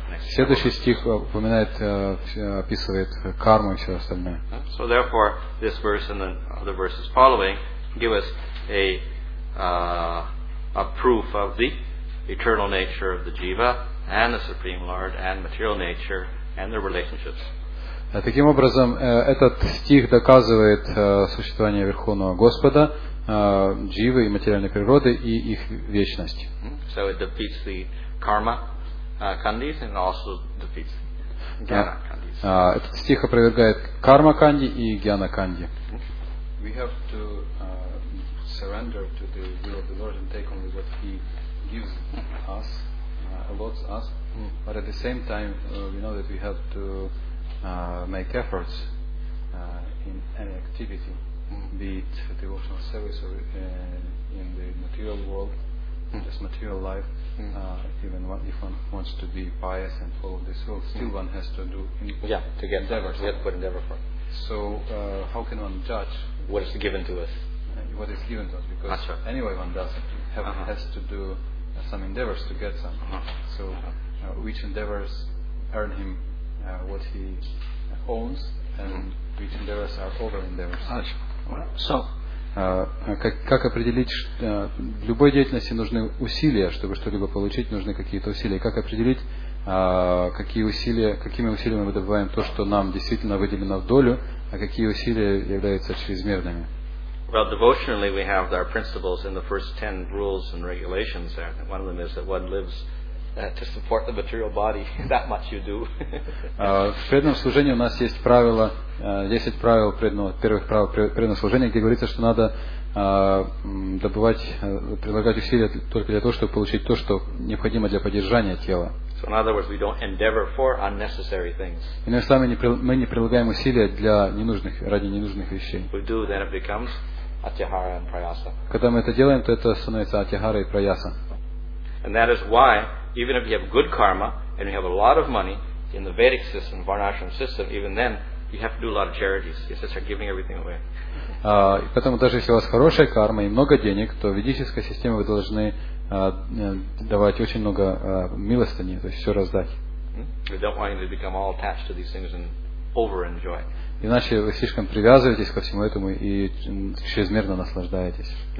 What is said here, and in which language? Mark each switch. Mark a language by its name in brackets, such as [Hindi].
[Russian] Следующий стих упоминает, описывает карму и все остальное. [English] So therefore, this verse and the other verses following give us a proof of the eternal nature of the jiva and the Supreme Lord and material nature and their relationships. [Russian] Таким образом, этот стих доказывает существование Верховного Господа, дживы и материальной природы и их вечность. [English] So it defeats the karma kandis and also defeats the jnana kandis. [Russian] Этот стих опровергает карма канди и гьяна канди. [English] We have to surrender to the will of the Lord and take only what he gives us. Allots us, but at the same time, we know that we have to make efforts in any activity, be it devotional service or in the material world, just material life. Even one, if one wants to be pious and follow this world, still one has to do to get endeavor. Yeah, to put endeavor for. So, how can one judge what is given to us? What is given to us? Because anyway, one does have has to do some endeavors to get some. So, which endeavors earn him what he owns, and which endeavors are over endeavors. So, [Russian] как определить, в любой деятельности нужны усилия, чтобы что-либо получить, нужны какие-то усилия. Как определить, какие усилия, какими усилиями мы добываем то, что нам действительно выделено в долю, а какие усилия являются чрезмерными? [English] Well, devotionally, we have our principles in the first 10 rules and regulations there. One of them is that one lives to support the material body. That much you do. [Russian] В преданном служении у нас есть правило, 10 правил, первых правил преданного служения, где говорится, что надо добывать, прилагать усилия только для того, чтобы получить то, что необходимо для поддержания тела. [English] So in other words, we don't endeavor for unnecessary things. [Russian] Иными словами, мы не прилагаем усилия для ненужных, ради ненужных вещей. [English] We do, then it becomes atyahara and prayasa. [Russian] Когда мы это делаем, то это становится атьяхара и праяса. [English] And that is why, even if you have good karma and you have a lot of money in the Vedic system, Varnashram system, even then you have to do a lot of charities. You just start giving everything away. [Russian] Поэтому даже если у вас хорошая карма и много денег, то в ведической системе вы должны давать очень много милостыни, то есть все раздать. Иначе вы слишком привязываетесь ко всему этому и чрезмерно наслаждаетесь.